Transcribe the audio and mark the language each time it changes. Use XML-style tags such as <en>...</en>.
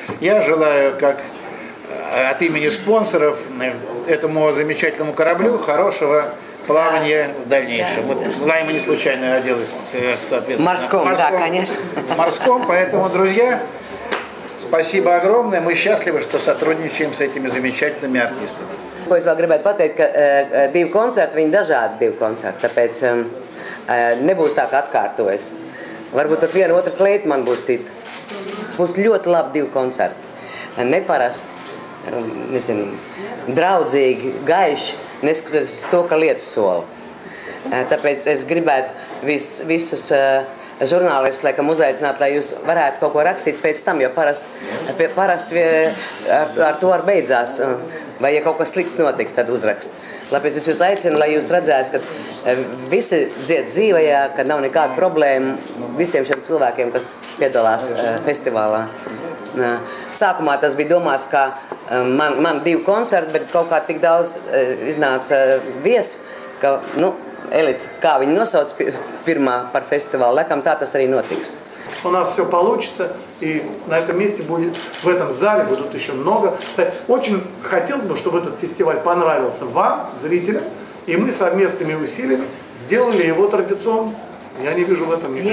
<ru>Я желаю, как от имени спонсоров, этому замечательному кораблю хорошего плавание в дальнейшем. Да, вот Лайма не случайно оделась, соответственно. Морском, да, конечно. Морском, поэтому, друзья, спасибо огромное. Мы счастливы, что сотрудничаем с этими замечательными артистами.</ru> <lv>Ko es vēl gribētu pateikt, ka divi koncerti, viņi dažādi divi koncerti, tāpēc nebūs tā, ka atkārtojas. Varbūt pat viena otra klēta man būs cita. Būs ļoti labi divi koncerti. Neparasti, nezinu, draudzīgi, gaiši, neskatoties to, ka lietas sola. Tāpēc es gribētu visus žurnālistus, laikam, uzaicināt, lai jūs varētu kaut ko rakstīt pēc tam, jo parasti ar to arī beidzās. Vai, ja kaut kas slikts notik, tad uzrakst. Tāpēc es jūs aicinu, lai jūs redzētu, ka visi dzied dzīvajā, ka nav nekāda problēma visiem šiem cilvēkiem, kas piedalās festivālā. Sākumā tas bija domāts, ka man divi koncerti, bet kaut kā tik daudz iznāca viesu, ka, nu, Elita, kā viņi nosauc pirmā par festivālu, laikam tā tas arī notiks.</lv> <ru>У нас все получится, и на этом месте будет, в этом зале будут еще много. Очень хотелось бы, чтобы этот фестиваль понравился вам, зрителям, и мы совместными усилиями сделали его традиционным. Я не вижу в этом никаких.</ru>